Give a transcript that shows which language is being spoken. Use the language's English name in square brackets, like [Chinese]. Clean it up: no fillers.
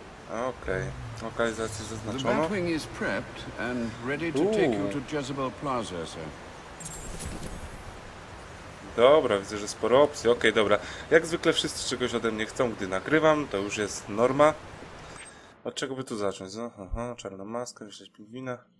[Polish] Okej. Lokalizację zaznaczono. [English] The Batwing is prepped and ready to take you to Jezebel Plaza, sir. [Polish] Dobra, widzę, że sporo opcji. Okej, dobra. Jak zwykle wszyscy czegoś ode mnie chcą, gdy nagrywam. To już jest norma. Od czego by tu zacząć? Czarna maska, wyśleć pingwina.